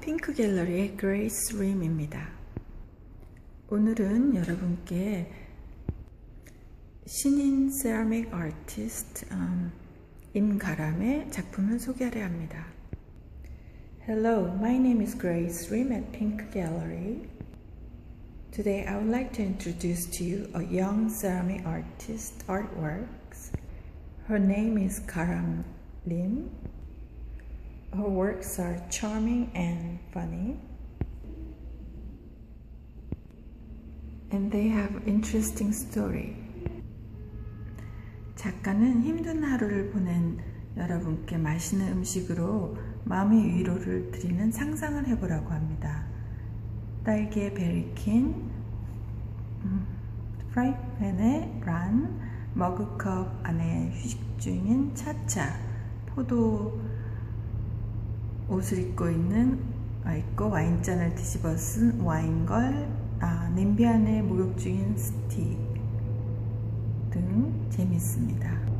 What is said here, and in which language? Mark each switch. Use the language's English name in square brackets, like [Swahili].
[Korean] 핑크 갤러리의 그레이스 림입니다. 오늘은 여러분께 신인 세라믹 아티스트 임가람의 작품을 소개하려 합니다. [English] Hello, my name is Grace Rim at Pink Gallery. Today I would like to introduce to you a young ceramic artist artworks. Her name is Garam Lim. Her works are charming and funny. And they have interesting story. [Korean] 작가는 힘든 하루를 보낸 여러분께 맛있는 음식으로 마음의 위로를 드리는 상상을 해보라고 합니다. 딸기의 베리킨, 프라이팬의 란, 머그컵 안에 휴식 중인 차차, 포도, 옷을 입고 있는 아이코, 와인잔을 뒤집어 쓴 와인걸, 냄비 안에 목욕 중인 스틱 등 재밌습니다.